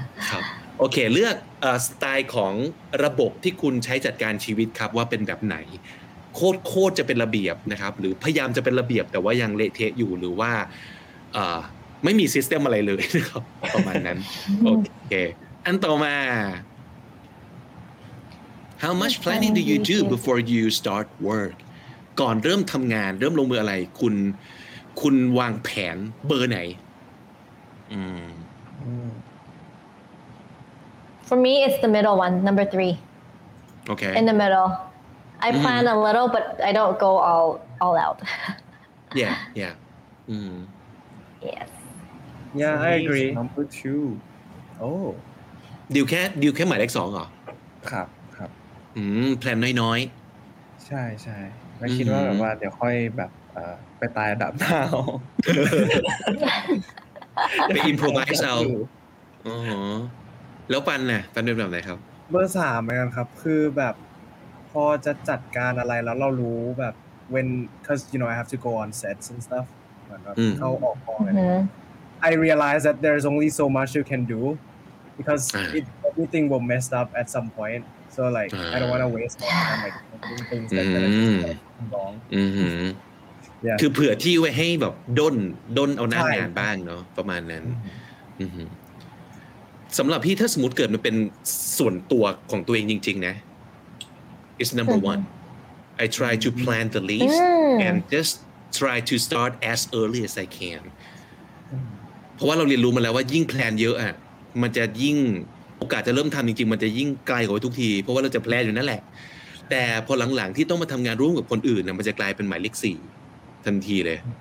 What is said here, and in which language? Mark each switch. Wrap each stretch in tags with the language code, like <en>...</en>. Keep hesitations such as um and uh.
<th>ครับโอเคเลือกเอ่อสไตล์ของระบบที่คุณใช้จัดการชีวิตครับว่าเป็นแบบไหน โคตรโคตรจะเป็นระเบียบนะครับ หรือพยายามจะเป็นระเบียบแต่ว่ายังเละเทะอยู่หรือว่าเอ่อไม่มีซิสเต็มอะไรเลยนะครับ ประมาณนั้น โอเค อันต่อมา</th> <en>How much planning do you do before you start work</en> <th>ก่อนเริ่มทำงานเริ่มลงมืออะไร คุณ คุณวางแผนเบอร์ไหน อืม อืม</th> <en>For me, it's the middle one, number three.</en> <th>โอเค</th> <en>in the middle. I Mhm. plan a little, but I don't go all all out. yeah yeah อืม yes. yeah, I Please, agree. number two Oh,</en> <th>ดิวแค่ดิวแค่หมายเลขสองเหรอ ครับครับ อืม แพลนน้อย ใช่ใช่ไม่คิดว่า อืม แบบว่าเดี๋ยวค่อยแบบเอ่อไปตายอันดับหน้าเอา ๆ ไป improvise เอาอ๋อแล้วปันน่ะปันเป็นแบบไหนครับ เบอร์สามเหมือนกันครับ คือแบบพอจะจัดการอะไรแล้วเรารู้แบบ</th> <en>when cause you know I have to go on sets and stuff</en> <th>เหมือนแบบ อืม เข้าออกกองอะไร</th> <en>Mhm. I realize that there's only so much you can do because</en> <th>อ่า</th> <en>it everything will mess up at some point. So like I don't want to waste my time like doing things that gonna Mm. just, like, wrong.</en> <th>อือหือ</th> <en>Yeah.</en> <th>คือเผื่อที่ไว้ให้แบบด้นด้นเอาหน้า ใช่ งานบ้างเนาะประมาณนั้น อือหือสำหรับพี่ถ้าสมมติเกิดมันเป็นส่วนตัวของตัวเองจริง ๆ นะ</th> <en>is number</en> <th>อือหือ</th> <en>one I try to plan the leaves</en> <th>อืม</th> <en>and just try to start as early as I can</en> <th>เพราะว่าเราเรียนรู้มาแล้วว่ายิ่งแพลนเยอะอ่ะมันจะยิ่งโอกาสจะเริ่มทำจริง ๆ มันจะยิ่งไกลกว่าทุกที เพราะว่าเราจะแพลนอยู่นั่นแหละ แต่พอหลังๆที่ต้องมาทำงานร่วมกับคนอื่นน่ะมันจะกลายเป็นหมายเลขสี่ทันทีเลย</th>